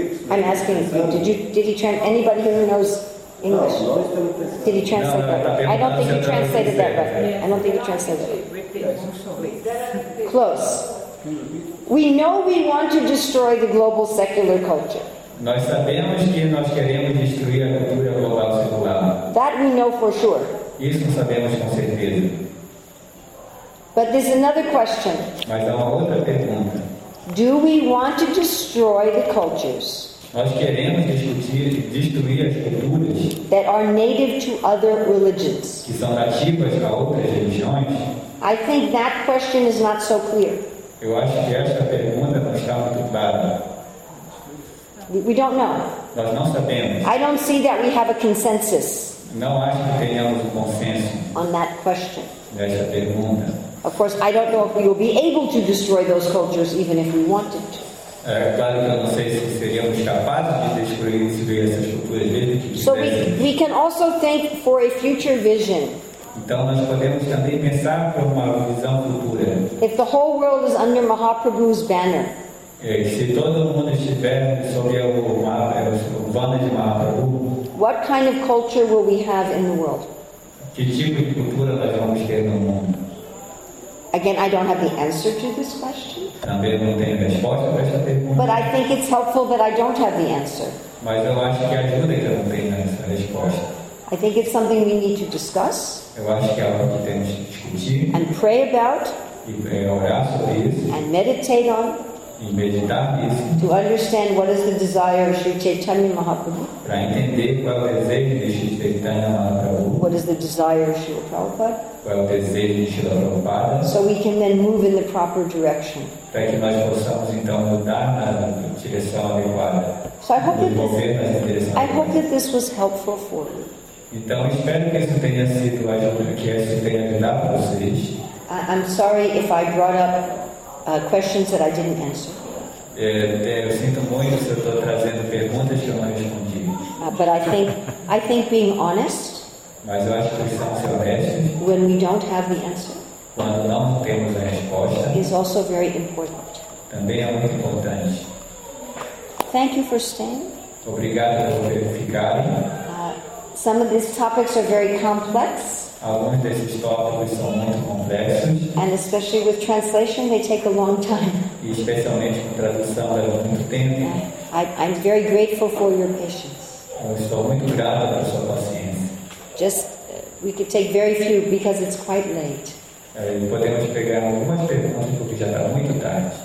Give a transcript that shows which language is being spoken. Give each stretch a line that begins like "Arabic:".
English: I'm asking you, anybody here who knows English? Did he translate that right? I don't think he translated that right. I don't think he translated that right. Close. We know we want to destroy the global secular culture.
Portuguese: Nós sabemos que nós queremos destruir a cultura global secular.
English: That we know for sure.
Portuguese: Isso sabemos com certeza.
English: But there's another question.
Portuguese: Mas há uma outra pergunta.
English: Do we want to destroy the cultures?
Portuguese: Nós queremos destruir as culturas
English: that are native to other religions.
Portuguese: Que são nativas a outras religiões.
English: I think that question is not so clear.
Portuguese: Eu acho que esta pergunta não está muito clara.
English: We don't know.
Portuguese: Nós não sabemos.
English: I don't see that we have a consensus.
Portuguese: Não acho que tenhamos um consenso.
English: On that question.
Portuguese: Nesta pergunta.
English: Of course, I don't know if we will be able to destroy those cultures even if we wanted to.
Portuguese: É claro que eu não sei se seríamos capazes de destruir essas culturas mesmo que quisessem.
English: So we can also think for a future vision.
Portuguese: Então nós podemos também pensar por uma visão futura.
English: If the whole world is under Mahaprabhu's banner.
Portuguese: Se todo mundo estiver sob o banner de Mahaprabhu.
English: What kind of culture will we have in the world?
Portuguese: Que tipo de cultura nós vamos ter no mundo?
English: Again, I don't have the answer to this question.
Portuguese: Também não tenho resposta para essa pergunta.
English: But I think it's helpful that I don't have the answer.
Portuguese: Mas eu acho que ajuda que eu não tenha essa resposta.
English: I think it's something we need to discuss.
Portuguese: Eu acho que é algo que temos que discutir.
English: And pray about.
Portuguese: E pray, orar sobre isso.
English: And meditate on.
Portuguese: E meditar nisso.
English: To understand what is the desire of Sri Chaitanya Mahaprabhu.
Portuguese: Para entender qual é o desejo de Sri Chaitanya Mahaprabhu.
English: What is the desire of Srila Prabhupada?
Portuguese: Qual é o desejo de Srila Prabhupada?
English: So we can then move in the proper direction.
Portuguese: Para que nós possamos então mudar na direção adequada.
English: So I hope that this was helpful for you.
Portuguese: Então espero que isso tenha sido ajudado, que isso tenha ajudado vocês.
English: I'm sorry if I brought up questions that I didn't answer.
Portuguese: Eu sinto muito se eu estou trazendo perguntas que eu não respondi.
English: But I think being honest.
Portuguese: Mas eu acho que eles são honestos.
English: When we don't have the answer.
Portuguese: Quando não temos a resposta.
English: Is also very important.
Portuguese: Também é muito importante.
English: Thank you for staying.
Portuguese: Obrigado por ficarem.
English: Some of these topics are very complex.
Portuguese: Alguns desses tópicos são muito complexos.
English: And especially with translation, they take a long time.
Portuguese: E especialmente com tradução leva muito tempo.
English: I'm very grateful for your patience.
Portuguese: Eu estou muito grato pela sua paciência.
English: Just we could take very few because it's quite late.
Portuguese: Podemos pegar algumas perguntas porque já está muito tarde.